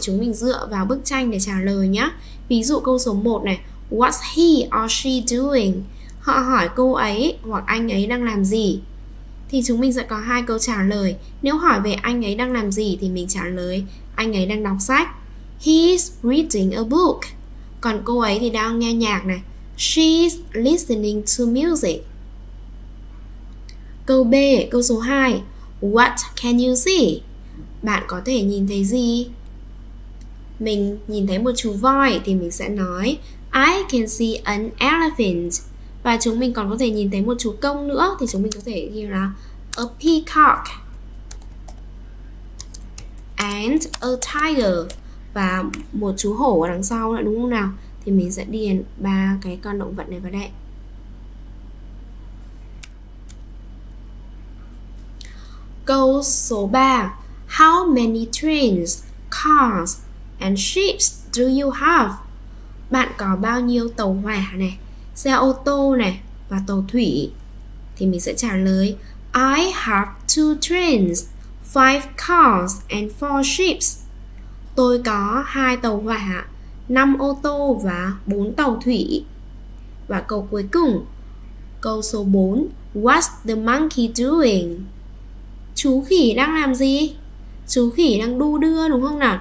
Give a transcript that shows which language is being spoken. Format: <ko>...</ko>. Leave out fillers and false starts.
<vi>Chúng mình dựa vào bức tranh để trả lời nhé. Ví dụ câu số 1 này,</vi> <en>what's he or she doing?</en> <vi>Họ hỏi cô ấy hoặc anh ấy đang làm gì? Thì chúng mình sẽ có 2 câu trả lời. Nếu hỏi về anh ấy đang làm gì thì mình trả lời anh ấy đang đọc sách.</vi> <en>He's reading a book.</en> <vi>Còn cô ấy thì đang nghe nhạc này.</vi> <en>She's listening to music.</en> <vi>Câu B, câu số 2.</vi> <en>What can you see?</en> <vi>Bạn có thể nhìn thấy gì? Mình nhìn thấy một chú voi thì mình sẽ nói</vi> <en>I can see an elephant.</en> <vi>Và chúng mình còn có thể nhìn thấy một chú công nữa thì chúng mình có thể ghi là</vi> <en>a peacock and a tiger.</en> <vi>Và một chú hổ ở đằng sau nữa, đúng không nào? Thì mình sẽ điền 3 cái con động vật này vào đây. Câu số 3.</vi> <en>How many trains, cars and ships do you have?</en> <vi>Bạn có bao nhiêu tàu hỏa này, xe ô tô này và tàu thủy? Thì mình sẽ trả lời</vi> <en>I have 2 trains, 5 cars and 4 ships.</en> <vi>Tôi có 2 tàu hỏa, 5 ô tô và 4 tàu thủy. Và câu cuối cùng, câu số 4,</vi> <en>what's the monkey doing?</en> <vi>Chú khỉ đang làm gì? Chú khỉ đang đu đưa, đúng không nào?</vi>